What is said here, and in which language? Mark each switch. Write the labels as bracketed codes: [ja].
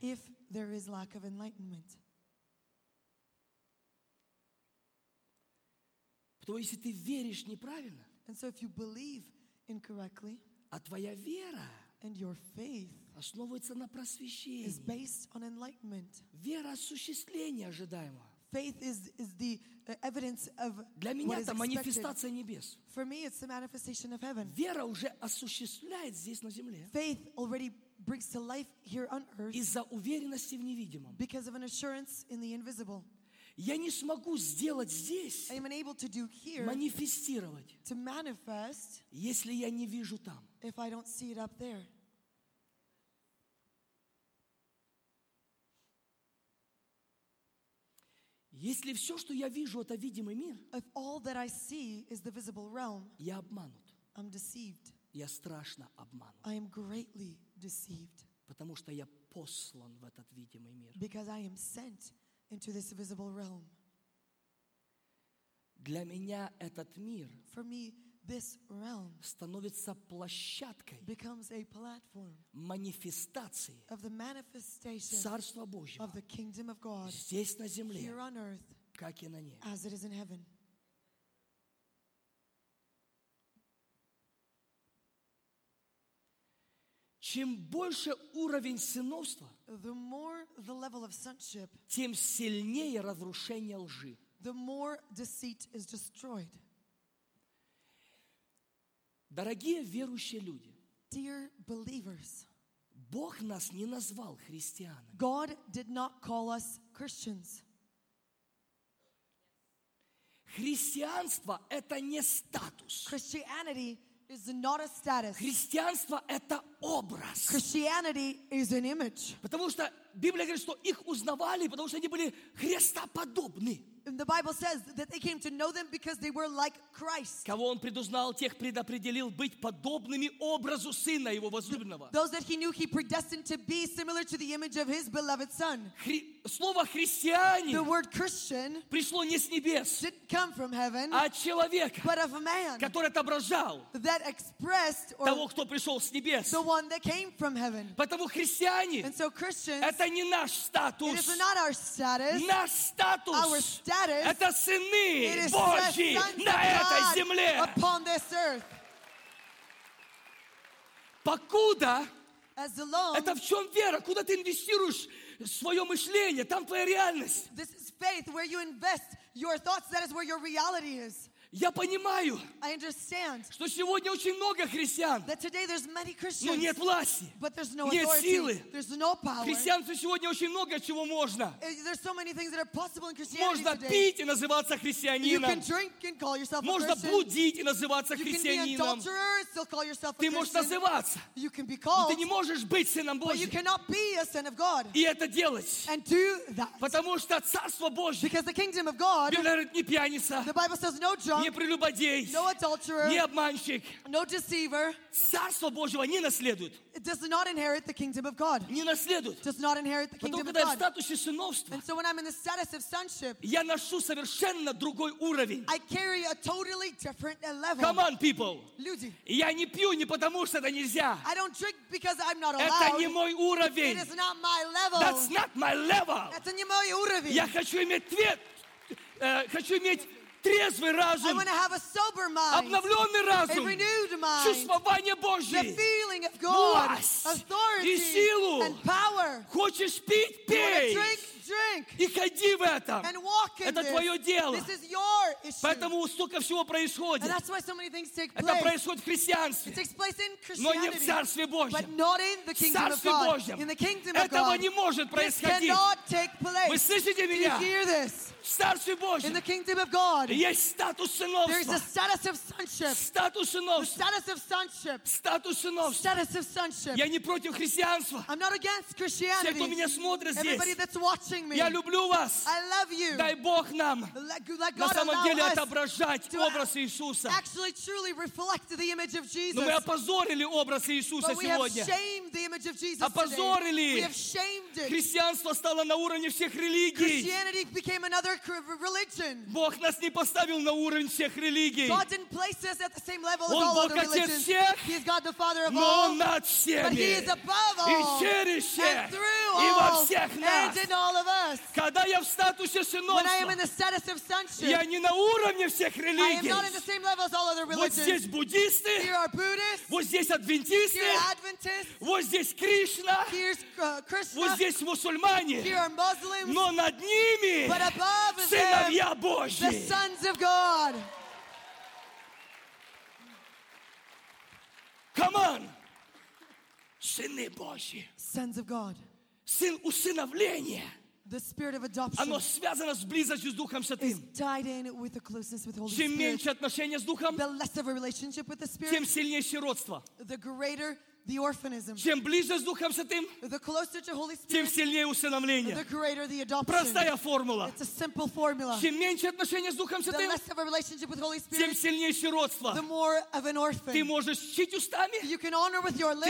[en] If there is lack of enlightenment. [ru] Потому что если ты веришь неправильно, [en] and so if you believe incorrectly, [ru] а твоя вера [en] and your faith is based on enlightenment. [ru] Вера осуществления ожидаемого. [en] Faith is the evidence of [ru] для меня [en] what is [ru] это манифестация небес. [en] For me, it's the manifestation of heaven. [ru] Вера уже осуществляет здесь на земле. [en] Faith already brings to life here on earth. [ru] Из-за уверенности в невидимом. [en] Because of an assurance in the invisible. [ru] Я не смогу сделать здесь. [en] I am unable to do here. [ru] Манифестировать. [en] To manifest. [ru] Если я не вижу там. [en] If I don't see it up there. [ru] Если все, что я вижу, это видимый мир, [en] if all that I see is the visible realm, [ru] я обманут. [en] I'm deceived. [ru] Я страшно обманут. [en] I am greatly deceived. [ru] Потому что я послан в этот видимый мир. [en] Because I am sent into this visible realm. [ru] Для меня этот мир, [en] for me, this realm [ru] становится площадкой, [en] becomes a platform, [ru] манифестации [en] of the manifestation, [ru] царства Божьего, [en] of the kingdom of God, [ru] здесь на земле, [en] here on earth, [ru] как и на небе, [en] as it is in heaven. [ru] Чем больше уровень сыновства, [en] the more the level of sonship, [ru] тем сильнее разрушение лжи. [en] The more deceit is destroyed. [ru] Дорогие верующие люди, [en] dear believers, [ru] Бог нас не назвал христианами. [en] God did not call us Christians. [ru] Христианство – это не статус. [en] Christianity is not a status. [ru] Христианство – это образ. [en] Christianity is an image. [ru] Потому что Библия говорит, что их узнавали, потому что они были христоподобны. [en] And the Bible says that they came to know them because they were like Christ. [ru] Кого он предузнал, тех предопределил быть подобными образу сына его возлюбленного. [en] Those that he knew, he predestined to be similar to the image of his beloved son. [ru] Слово христианин. [en] The word Christian. [ru] Пришло не с небес. [en] Didn't come from heaven. [ru] А от человека. [en] But of a man. [ru] Который отображал. [en] That expressed. [ru] Or того, кто пришел с небес. [en] The one that came from heaven. [ru] Потому христианин. [en] And so Christians. [ru] Это не наш статус. [en] It is not our status. [ru] Наш статус. [en] Our status. [ru] Это сыны Божьи на этой земле. [en] Upon this earth. [ru] Покуда [en] as long, [ru] это в чем вера? Куда ты инвестируешь свое мышление? Там твоя реальность. [en] This is faith where you invest your thoughts. That is where your reality is. [ru] Я понимаю, [en] I understand, [ru] что сегодня очень много христиан, [en] that today there's many Christians, [ru] но нет власти, [en] but there's no [ru] нет [en] authority, [ru] силы. [en] There's no power. [ru] Христианству сегодня очень много чего можно. [en] There's so many things that are possible in Christianity. [ru] Можно [en] today. [ru] Пить и называться христианином. [en] You can drink and call yourself a [ru] можно [en] Christian. [ru] Блудить и называться [en] you [ru] христианином. [en] Can be an adulterer, still call yourself a [ru] ты [en] Christian. [ru] Можешь называться, [en] you can be called, [ru] но ты не можешь быть сыном Божьим. [en] But you cannot be a son of God. [ru] И это делать. [en] And do that. [ru] Потому что Царство Божье, [en] because the kingdom of God, [ru] Библия говорит, не пьяница. [en] The Bible says no drunk. [ru] Не прелюбодей, [en] no adulterer, [ru] не обманщик, [en] no deceiver, [ru] царство Божьего не наследует. [en] It does not inherit the kingdom of God. [ru] Не наследует. [en] Does not inherit the kingdom [ru] потому, [en] of God. [ru] Когда я в статусе сыновства, [en] and so when I'm in the status of sonship, [ru] я ношу совершенно другой уровень. [en] I carry a totally different level. Come on, people. [ru] Люди. Я не пью не потому, что это нельзя. [en] I don't drink because I'm not allowed. [ru] Это не мой уровень. [en] It is not my level. That's not my level. [ru] Это не мой уровень. Я хочу иметь трезвый разум, [en] I want to have a sober mind, [ru] обновленный разум, [en] a renewed mind, [ru] чувствование Божье, [en] the feeling of God, [ru] власть [en] authority, [ru] и силу. [en] And power. [ru] Хочешь пить, пей. [en] You want to drink, [ru] и ходи в этом. [en] And walk in [ru] это твое [en] this. [ru] Дело. [en] This is your issue. [ru] Поэтому столько всего происходит. [en] And that's why so many things take place. [ru] Это происходит в христианстве. [en] It takes place in Christianity, [ru] но не в Царстве Божьем. [en] But not in the kingdom [ru] Царстве [en] of God. [ru] Божьем. [en] In the kingdom [ru] этого [en] of God, [ru] не может происходить. [en] This cannot take place. [ru] Вы слышите меня? [en] Do you hear this? [ru] В Царстве Божьем [en] in the kingdom of God, [ru] есть статус сыновства. [en] There is a status of sonship. [ru] Статус сыновства. [en] The status of sonship. [ru] Статус сыновства. [en] Status of sonship. [ru] Я не против христианства. [en] I'm not against Christianity. [ru] Все, кто меня смотрит здесь. [en] Everybody that's watching me. [ru] Я люблю вас. [en] I love you. [ru] Дай Бог нам [en] let God [ru] на самом деле отображать образ Иисуса. [en] Actually, truly reflect the image of Jesus. [ru] Но мы опозорили образ Иисуса сегодня. [en] But we have shamed the image of Jesus today. [ru] Опозорили. [en] We have shamed it. [ru] Христианство стало на уровне всех религий. [en] Christianity became another religion. [ru] Бог нас не поставил на уровень всех религий. [en] God didn't place us at the same level as all other religions. [ru] Он Бог отец всех. [en] He is God the Father of [ru] но [en] all. [ru] Но над всеми. [en] But He is above all. [ru] И через всех. [en] And through all. [ru] И во всех нас. [en] And in all of us. [ru] Когда я в статусе сыновства. [en] When I am in the status of sonship. [ru] Я не на уровне всех религий. [en] I am not in the same level as all other religions. [ru] Вот здесь буддисты. [en] Here are Buddhists. [ru] Вот здесь адвентисты. [en] Here are Adventists. [ru] Вот здесь Кришна. [en] Here's Krishna. [ru] Вот здесь мусульмане. [en] Here are Muslims. [ru] Но над ними. [en] But above [ru] сыновья Божьи. [en] The sons of God. Come on. [ru] Сыны Божьи. [en] Sons of God. [ru] Сын усыновления. [en] The spirit of adoption. [ru] Оно связано с близостью с Духом Святым. [en] Is tied in with the closeness with the Holy Spirit. [ru] Чем меньше отношения с Духом, [en] the less of a relationship with the Spirit, [ru] тем сильнее сиротство. [en] The greater the orphanism. [ru] Чем ближе с Духом Святым, [en] the closer to Holy Spirit, [ru] тем сильнее усыновление. [en] The greater the adoption. [ru] Простая формула. [en] It's a simple formula. [ru] Чем меньше отношения с Духом Святым, [en] the less of a relationship with Holy Spirit, [ru] тем сильнее сиротство. [en] The more of an orphan. [ru] Ты можешь учить устами, [en] you can honor with your lips,